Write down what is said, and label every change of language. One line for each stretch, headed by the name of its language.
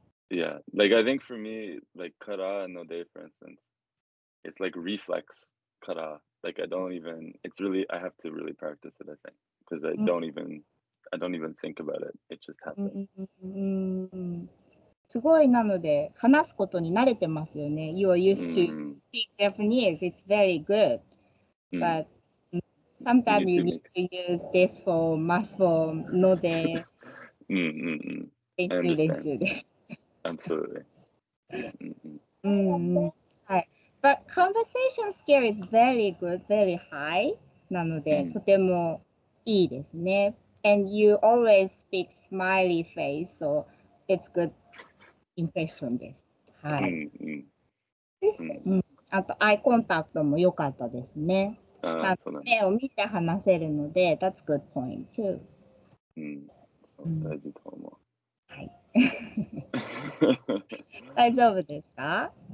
English: Yeah, like I think for me, like からので, for instance, it's like reflex から. Like I don't even, it's really, I have to really practice it, I think, because I don't even... I don't even think about it. It just happens.
Japanese: うん、すごいなので話すことに慣れてますよね。
English: You are used to speak Japanese. It's very good. But sometimes you need to use this form, must form, ので。
Japanese: 練習練習です。
English: Absolutely.
Japanese: はい。
English: But conversation skill is very good, very high.
Japanese: なので、とてもいいですね。
English: And you always speak smiley face, so it's good impression です。
Japanese: はい。あと、アイコンタクトも良かったですね。ちゃんと目を見て話せるので、 that's good point too. 大事と思う。はい。大丈夫ですか？